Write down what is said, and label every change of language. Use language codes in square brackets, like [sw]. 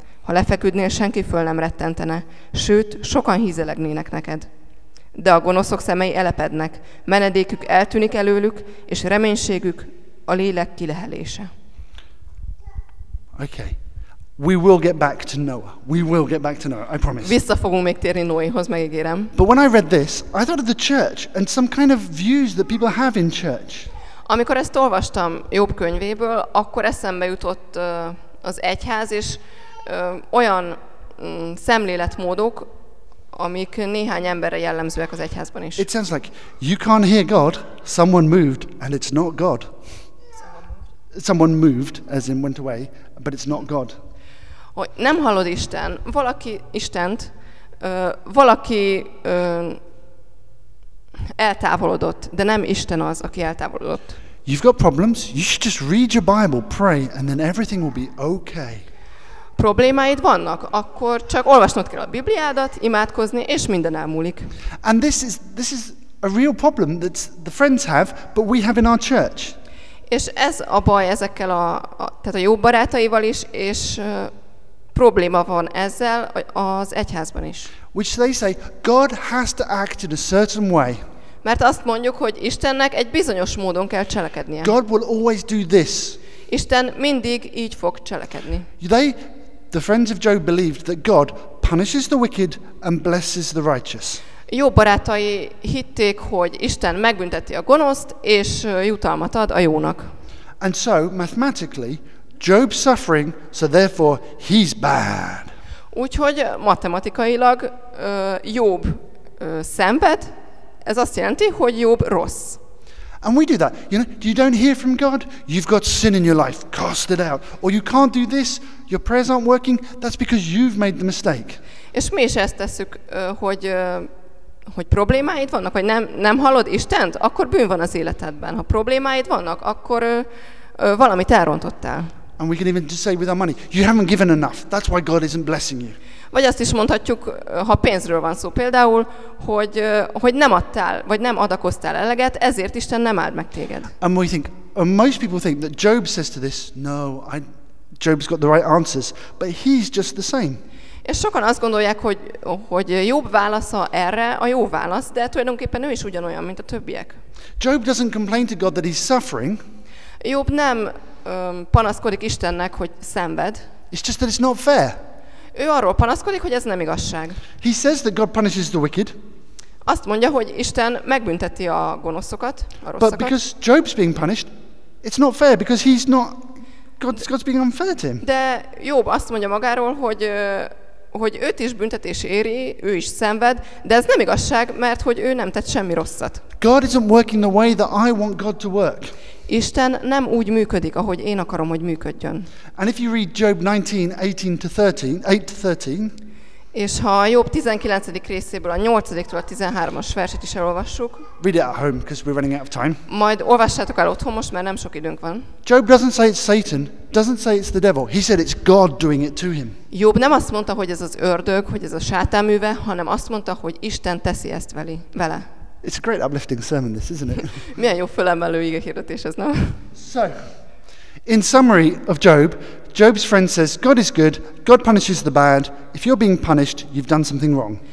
[hu] Ha lefeküdnél, senki föl nem rettentene, sőt, sokan hízelegnének neked. De a gonoszok szemei elepednek, menedékük eltűnik előlük, és reménységük a lélek kilehelése. [en] Okay. We will get back to Noah. We will get back to Noah. I promise. [hu] Vissza fogunk még térni Noéhoz, megígérem. [en] But when I read this, I thought of the church and some kind of views that people have in church. [hu] Amikor ezt olvastam Jobb könyvéből, akkor eszembe jutott az egyház és olyan szemléletmódok, amik néhány emberre jellemzőek az egyházban is. [en] It sounds like you can't hear God. Someone moved and it's not God. Someone moved, as in went away, but it's not God. [hu] Hogy nem hallod Isten, valaki Istent, valaki eltávolodott, de nem Isten az, aki eltávolodott. [en] You've got problems, you should just read your Bible, pray, and then everything will be okay. [hu] Problémáid vannak, akkor csak olvasnod kell a Bibliádat, imádkozni, és minden elmúlik. [en] And this is a real problem that the friends have, but we have in our church. [hu] És ez a baj ezekkel tehát a jó barátaival is, és probléma van ezzel az egyházban is. [en] Which they say, God has to act in a certain way. [hu] Mert azt mondjuk, hogy Istennek egy bizonyos módon kell cselekednie. [en] God will always do this. [hu] Isten mindig így fog cselekedni. [en] The friends of Job believed that God punishes the wicked and blesses the righteous. [hu] Jó barátai hitték, hogy Isten megbünteti a gonoszt és jutalmat ad a jónak. [en] And so, mathematically, Job's suffering, so therefore he's bad. [hu] Úgyhogy matematikailag Job szenved, ez azt jelenti, hogy Job rossz. [en] And we do that. You know, you don't hear from God, you've got sin in your life, cast it out. Or you can't do this, your prayers aren't working, that's because you've made the mistake. [hu] És mi is ezt tesszük, hogy problémáid vannak, vagy nem hallod Istent, akkor bűn van az életedben. Ha problémáid vannak, akkor valamit elrontottál. [en] And we can even just say with our money, you haven't given enough. That's why God isn't blessing you. [hu] Vagy azt is mondhatjuk, ha pénzről van szó például, hogy nem adtál, vagy nem adakoztál eleget, ezért Isten nem áld meg téged. [en] And we think, and most people think that Job says to this, no, Job's got the right answers, but he's just the same. [hu] És sokan azt gondolják, hogy Job válasza erre a jó válasz, de tulajdonképpen ő is ugyanolyan, mint a többiek. [en] Job doesn't complain to God that he's suffering. [hu] Job nem panaszkodik Istennek, hogy szenved. [en] It's just that it's not fair. [hu] Ő arról panaszkodik, hogy ez nem igazság. [en] He says that God punishes the wicked. [hu] Azt mondja, hogy Isten megbünteti a gonoszokat, a rosszakat. [en] But because Job's being punished, it's not fair because he's not God's being unfair to him. [hu] De Job azt mondja magáról, hogy őt is büntetés éri, ő is szenved, de ez nem igazság, mert hogy ő nem tett semmi rosszat. [en] God isn't working the way that I want God to work. [hu] Isten nem úgy működik, ahogy én akarom, hogy működjön. [en] And if you read Job 19:18-13, [hu] és ha a Job 19. részéből a 8-tól a 13-as verset is elolvassuk, [en] read it at home, because we're running out of time. [hu] Majd olvassátok el otthon most, mert nem sok időnk van. [en] Job doesn't say it's Satan, doesn't say it's the devil. He said it's God doing it to him. [hu] Job nem azt mondta, hogy ez az ördög, hogy ez a sátán műve, hanem azt mondta, hogy Isten teszi ezt vele. [en] It's a great uplifting sermon, this, isn't it? [hu] Milyen jó fölemelő igehirdetés ez, nem? [en] So, in summary of Job, Job's friend says, God is good, God punishes the bad, if you're being punished, you've done something wrong.